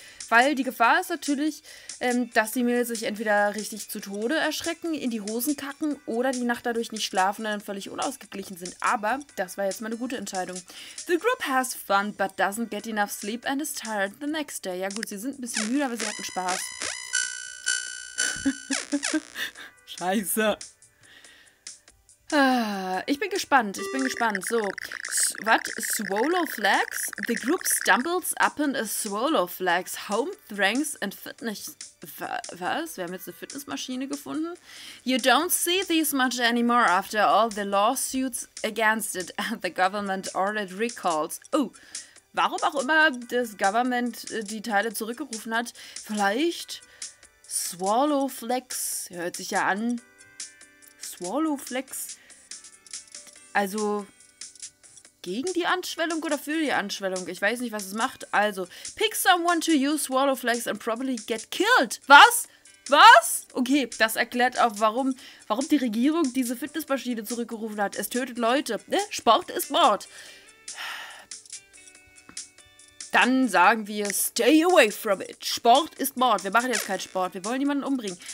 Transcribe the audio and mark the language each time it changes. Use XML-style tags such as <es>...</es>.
<de>Weil die Gefahr ist natürlich, dass die Mädels sich entweder richtig zu Tode erschrecken, in die Hosen kacken oder die Nacht dadurch nicht schlafen und dann völlig unausgeglichen sind. Aber das war jetzt mal eine gute Entscheidung.</de> <en>The group has fun, but doesn't get enough sleep and is tired the next day.</en> <de>Ja gut, sie sind ein bisschen müde, aber sie hatten Spaß. Scheiße. Ich bin gespannt, ich bin gespannt.</de> <en>So, what? Swallow Flags? The group stumbles upon a Swallow Flags. Home Thranks and Fitness.</en> <de>Was? Wir haben jetzt eine Fitnessmaschine gefunden?</de> <en>You don't see these much anymore after all the lawsuits against it and the government ordered recalls.</en> <de>Oh, warum auch immer das Government die Teile zurückgerufen hat? Vielleicht Swallow Flags? Hört sich ja an. Swallowflex, also gegen die Anschwellung oder für die Anschwellung? Ich weiß nicht, was es macht. Also, pick someone to use Swallowflex and probably get killed. Was? Was? Okay, das erklärt auch, warum die Regierung diese Fitnessmaschine zurückgerufen hat. Es tötet Leute. Ne? Sport ist Mord. Dann sagen wir,</de> <en>stay away from it.</en> <de>Sport ist Mord. Wir machen jetzt keinen Sport. Wir wollen niemanden umbringen.</de>